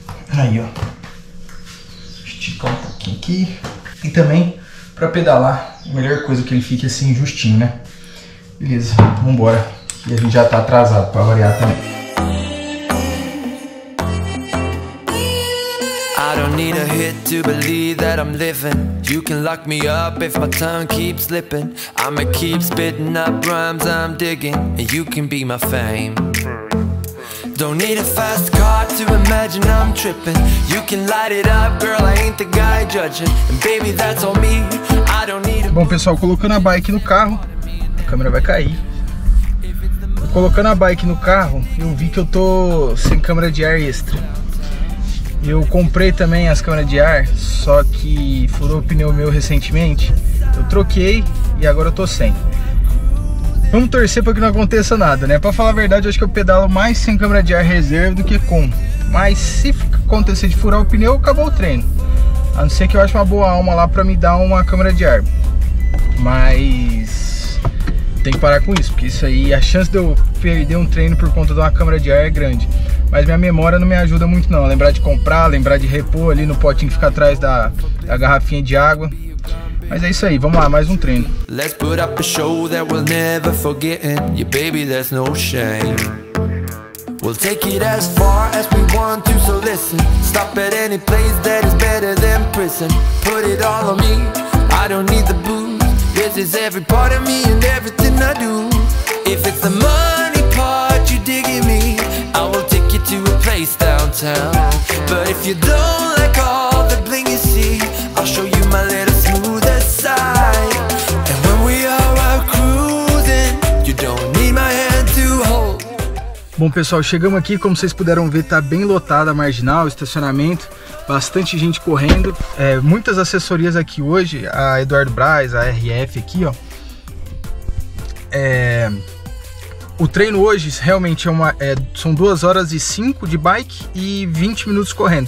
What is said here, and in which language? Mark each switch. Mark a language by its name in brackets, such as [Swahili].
[Portuguese] Aí, ó. Esticar um pouquinho aqui. E também para pedalar, a melhor coisa é que ele fique assim justinho, né? Beleza, vambora. E a gente já tá atrasado para variar também. [English] Need a hit to believe that I'm living. You can lock me up if my tongue keeps slipping. I'ma keep spitting up rhymes I'm digging, and you can be my fame. Don't need a fast car to imagine I'm tripping. You can light it up, girl, I ain't the guy judging. And baby, that's on me. I don't need a... [Portuguese] Bom, pessoal, colocando a bike no carro, a câmera vai cair. Colocando a bike no carro, eu vi que eu tô sem câmera de ar extra. Eu comprei também as câmeras de ar, só que furou o pneu meu recentemente. Eu troquei e agora eu tô sem. Vamos torcer para que não aconteça nada, né? Para falar a verdade, eu acho que eu pedalo mais sem câmera de ar reserva do que com. Mas se acontecer de furar o pneu, acabou o treino. A não ser que eu ache uma boa alma lá para me dar uma câmera de ar. Mas tem que parar com isso, porque isso aí, a chance de eu perder um treino por conta de uma câmera de ar é grande. Mas minha memória não me ajuda muito não. Lembrar de comprar, lembrar de repor ali no potinho que fica atrás da garrafinha de água. Mas é isso aí, vamos lá, mais um treino. [English] Let's put up a show that we'll never forget. Yeah, baby, there's no shame. We'll take it as far as we want to, so listen. Stop at any place that is better than prison. Put it all on me, I don't need the booze. This is every part of me and everything I do. If it's the money part you dig in me, I will take you to a place downtown. But if you don't like all the bling you see, I'll show you my little smoother side. And when we are out cruising, you don't need my hand to hold. [Portuguese] Bom, pessoal, chegamos aqui. Como vocês puderam ver, tá bem lotada a marginal, estacionamento, bastante gente correndo. É, muitas assessorias aqui hoje, a Eduardo Braz, a RF aqui, ó. O treino hoje realmente são 2 horas e 5 de bike e 20 minutos correndo.